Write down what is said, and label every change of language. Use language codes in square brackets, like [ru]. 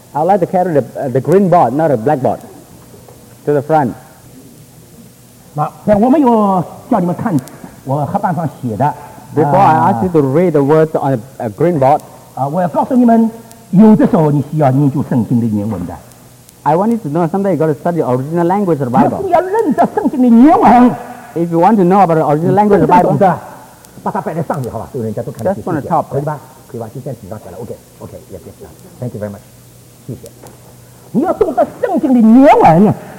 [en] I'd like to carry the green board, not a blackboard, to the front. [zh] 那我没有叫你们看我黑板上写的。 [en] Before I ask you to read the words on a green board. [zh] 我要告诉你们，有的时候你需要研究圣经的原文的。 [en] I want you to know something. You got to study the original language of the Bible. [zh] 你要认得圣经的原文。 [en] If you want to know about the original language of the Bible. [zh] 把它摆在上面，好吧？所有人家都看得清楚。 [en] Just on the top, [zh] 可以吧？可以吧？就这样紧张起来。 [en] OK，OK，Yes，Yes，Yes. Thank you very much. [zh] 谢谢。你要懂得圣经的原文。